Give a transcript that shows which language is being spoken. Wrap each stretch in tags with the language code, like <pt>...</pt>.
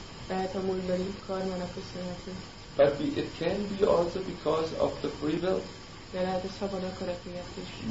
<hu>Lehet a múltbeli karmának köszönhető.</hu> <en>But it can be also because of the free will.</en> <hu>De lehet a szabad akarat miatt is.</hu>